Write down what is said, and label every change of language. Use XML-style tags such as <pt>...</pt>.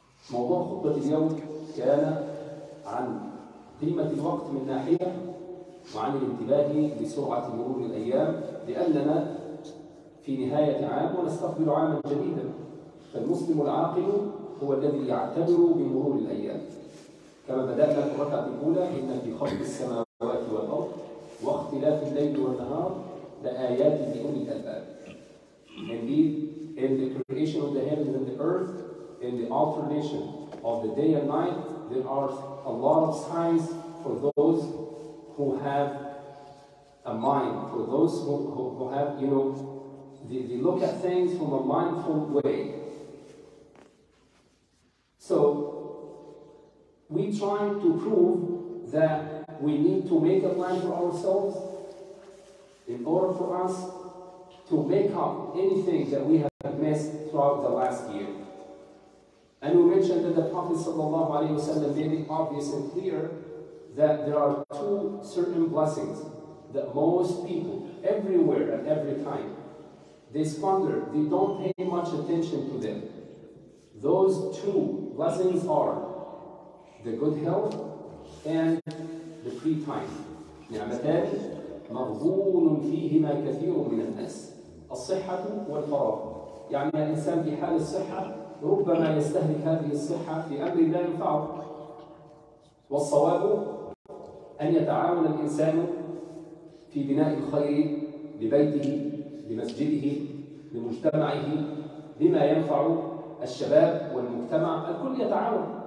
<ar>موضوع خطبة اليوم كان عن قيمة الوقت من ناحية، وعن الانتباه لسرعة مرور الأيام، لأننا في نهاية عام ونستقبل عاما جديدا. فالمسلم العاقل هو الذي يعتبر بمرور الأيام، كما بدأنا في الركعة الأولى: إن في خلق السماوات والأرض واختلاف الليل والنهار لآيات لأولي الألباب.</ar> <en>Indeed, in the creation of the heavens and the earth, in the alternation of the day and night, there are a lot of signs for those who have a mind, for those who have, you know, they look at things from a mindful way. So we try to prove that we need to make a plan for ourselves in order for us to make up anything that we have missed throughout the last year. And we mentioned that the Prophet sallallahu alaihi wasallam made it obvious and clear that there are two certain blessings that most people, everywhere and every time, they squander, they don't pay much attention to them. Those two blessings are the good health and the free time.</en> <ar>نعمتان مغضون فيهما كثير من الناس الصحة والفراغ. يعني الإنسان في حال الصحة ربما يستهلك هذه الصحة في أمر لا ينفعه. والصواب أن يتعاون الإنسان في بناء الخير لبيته، لمسجده، لمجتمعه، لما ينفع الشباب والمجتمع، الكل يتعاون.</ar>